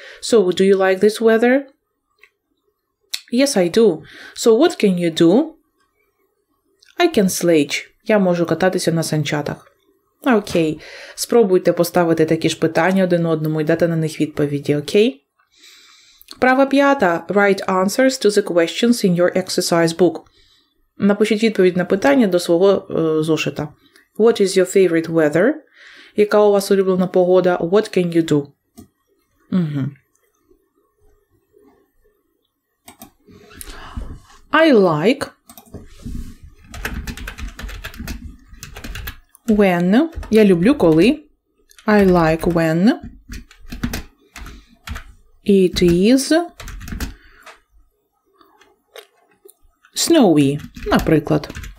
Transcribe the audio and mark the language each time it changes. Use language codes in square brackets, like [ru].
[en] So, do you like this weather? Yes, I do. So, what can you do? I can sledge. [uk] Я можу кататися на санчатах. Окей. Спробуйте поставити такі ж питання один одному і дати на них відповіді, окей? Права п'ята. [en] Write answers to the questions in your exercise book. [uk] Напишіть відповідь на питання до свого зошита. [en] What is your favorite weather? [uk] Яка у вас улюблена погода? [en] What can you do? Угу. I like when, [uk] я люблю коли, [en] I like when it is snowy, наприклад.